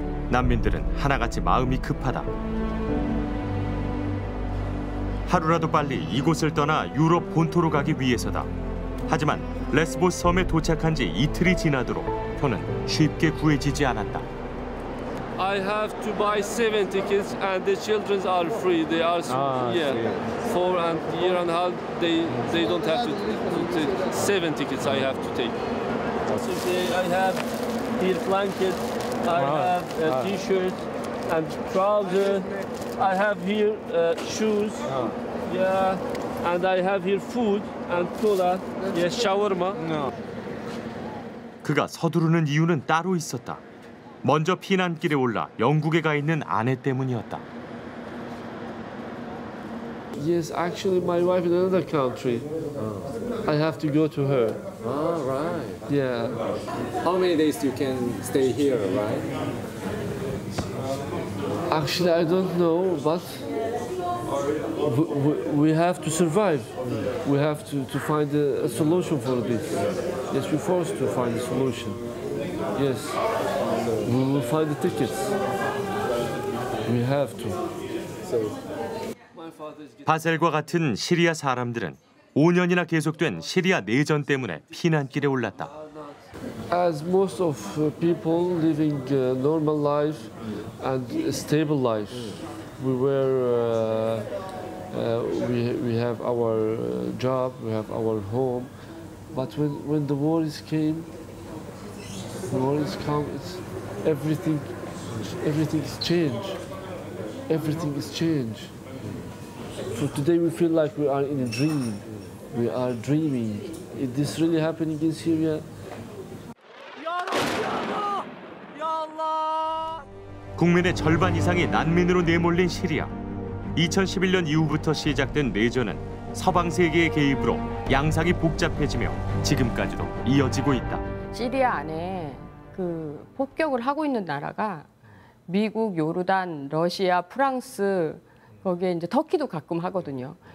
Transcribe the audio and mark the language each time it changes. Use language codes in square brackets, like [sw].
[ko] 난민들은 하나같이 마음이 급하다. 하루라도 빨리 이곳을 떠나 유럽 본토로 가기 위해서다. 하지만 레스보스 섬에 도착한 지 이틀이 지나도록 표는 쉽게 구해지지 않았다. [en] I have to buy 7 tickets and the children are free. They are yeah. 4 and year and a half they don't have to take 7 tickets I have to take. So I have here blanket. I have a t-shirt and trousers. I have here shoes. Yeah. And I have here food and cola. Yes, shawarma. No. [ko] 그가 서두르는 이유는 따로 있었다. 먼저 피난길에 올라 영국에 가 있는 아내 때문이었다. [en] Yes, actually my wife in another country. I have to go to her. Oh, right. Yeah. How many days you can stay here, right? Actually, I don't know, but we have to survive. We have to find a solution for this. Yes, we're forced to find a solution. Yes. We will find the tickets. We have to. [ko] 바셀과 같은 시리아 사람들은 5년이나 계속된 시리아 내전 때문에 피난길에 올랐다. [en] As most of people living normal life and stable life, we were we have our job, we have our home, but when the war is came, the war is come, it's everything is changed. For today we feel like we are in a dream. We are dreaming. Is this really happening in Syria? [ar] Ya Allah! Ya Allah! [ko] 국민의 절반 이상이 난민으로 내몰린 시리아. 2011년 이후부터 시작된 내전은 서방 세계의 개입으로 양상이 복잡해지며 지금까지도 이어지고 있다. 시리아 안에 그 폭격을 하고 있는 나라가 미국, 요르단, 러시아, 프랑스, 거기에 이제 터키도 가끔 하거든요.